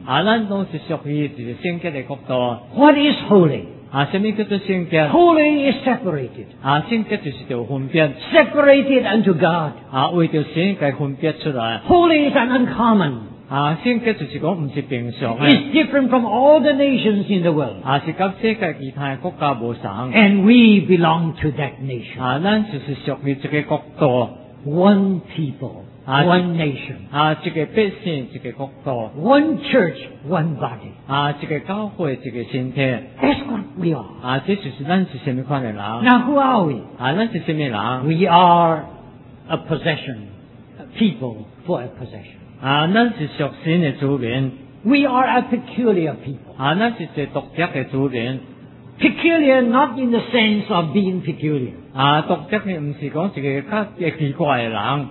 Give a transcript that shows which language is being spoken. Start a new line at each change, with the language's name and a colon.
Min Nan Chinese: 啊, 咱都是属于一个圣洁的国度,
English: what is holy?
Min Nan Chinese: 啊, 什么叫做圣洁?
English: Holy is separated.
Min Nan Chinese: 啊, 圣洁就是要分辨,
English: separated unto God.
Min Nan Chinese: 啊, 为着圣洁分辨出来,
English: holy is an uncommon.
Min Nan Chinese: 啊, 圣洁就是说不是平常,
English: it's different from all the nations in the world.
Min Nan Chinese: 啊, 是跟世界其他的国家不同,
English: and we belong to that nation.
Min Nan Chinese: 啊, 咱就是属于这个国度,
English: one people, 啊, one nation.
Min Nan Chinese: 啊, 这个百姓, 这个国度,
English: one church, one body.
Min Nan Chinese: 啊, 这个教会, 这个身体,
English: that's what we are.
Min Nan Chinese: 啊, 这就是咱是什么样的人,
English: now who are we?
Min Nan Chinese: 啊, 咱是什么人?
English: We are a possession, a people for a possession.
Min Nan Chinese: 啊, 咱是属神的主民,
English: We are a peculiar people.
Min Nan Chinese: 那是一个独特的族人。
English: Peculiar not in the sense of being peculiar.
Min Nan Chinese: 独特的不是说自己较奇怪的人。